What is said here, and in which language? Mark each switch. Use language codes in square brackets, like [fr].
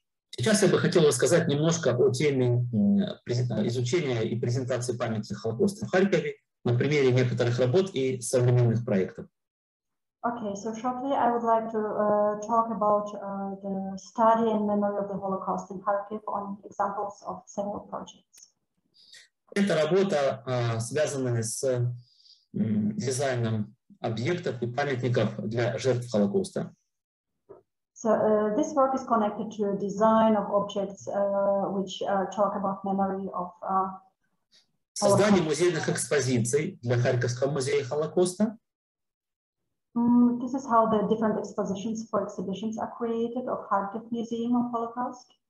[ru] Сейчас я бы хотел рассказать немножко о теме изучения и презентации памяти Холокоста в Харькове на примере некоторых работ и современных проектов. [en] Okay, so shortly I would like to talk about the study and memory of the Holocaust in Kharkiv on examples of several projects. [ru] Эта работа связана с дизайном объектов и памятников для жертв Холокоста. [en] So this work is connected to design of objects which talk about memory of [ru] создание музейных экспозиций для Харьковского музея Холокоста. [en] This is how the different expositions for exhibitions are created of Kharkiv Museum of Holocaust.